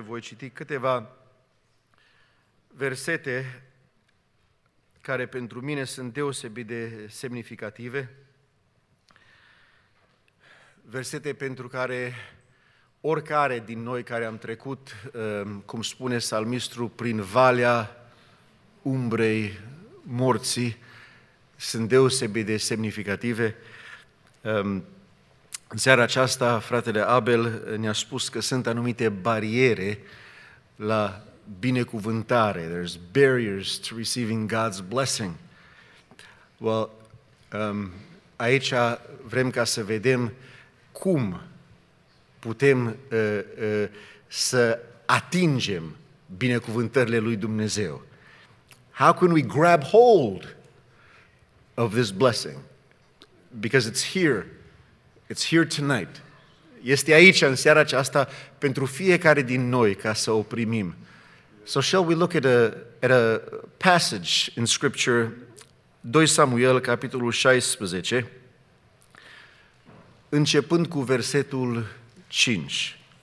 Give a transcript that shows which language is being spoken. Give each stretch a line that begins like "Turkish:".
Romanian: Voi citi câteva versete care pentru mine sunt deosebit de semnificative, versete pentru care oricare din noi care am trecut, cum spune salmistru, prin valea umbrei morții, sunt deosebit de semnificative. În seara aceasta, fratele Abel ne-a spus că sunt anumite bariere la binecuvântare.
English: There's barriers to receiving God's blessing.
Romanian: Well, aici vrem ca să vedem cum putem să atingem binecuvântările lui Dumnezeu.
English: How can we grab hold of this blessing? Because it's here. It's here tonight.
Romanian: Este aici în seara aceasta pentru fiecare din noi ca să o primim.
English: So shall we look at a passage in scripture, 2 Samuel
Romanian: capitolul 16, începând cu versetul 5.